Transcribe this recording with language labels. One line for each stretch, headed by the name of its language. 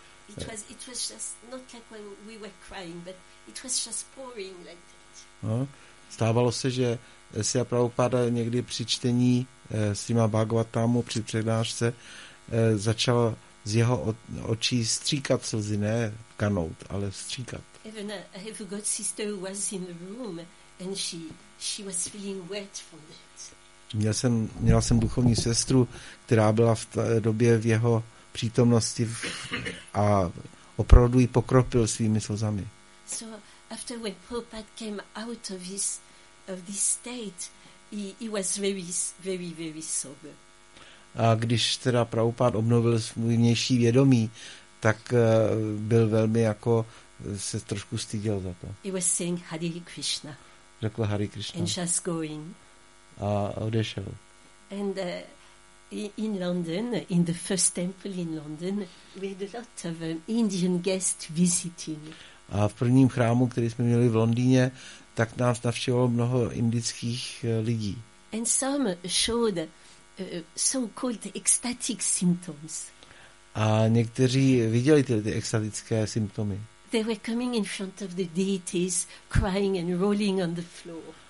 English: It was just not like when we were crying, but it was just pouring like that.
Czech: Stávalo se, že si a Prabhupáda někdy při čtení s těma Bhagavatamu při přednášce začal z jeho očí stříkat slzy, ne kanout, ale stříkat.
English: Even a god sister was in the room and she was feeling wet from that.
Czech: Měla jsem duchovní sestru, která byla v té době v jeho přítomnosti a opravdu ji pokropil svými slzami.
English: So after when Prabhupada came out of this state, he was very, very, very sober.
Czech: A když teda Prabhupada obnovil svůj vnější vědomí, tak byl velmi jako, se trošku styděl za to.
English: He was saying Hare Krishna.
Czech: Řekl Hare Krishna.
English: And just going.
Czech: A odešel.
English: And in London, in the first temple in London, we had a lot of Indian guests visiting.
Czech: A v prvním chrámu, který jsme měli v Londýně, tak nás navštívilo mnoho indických lidí.
English: And some showed so-called ecstatic symptoms.
Czech: A někteří viděli ty ecstatické symptomy.
English: They were coming in front of the deities, crying and rolling on the floor.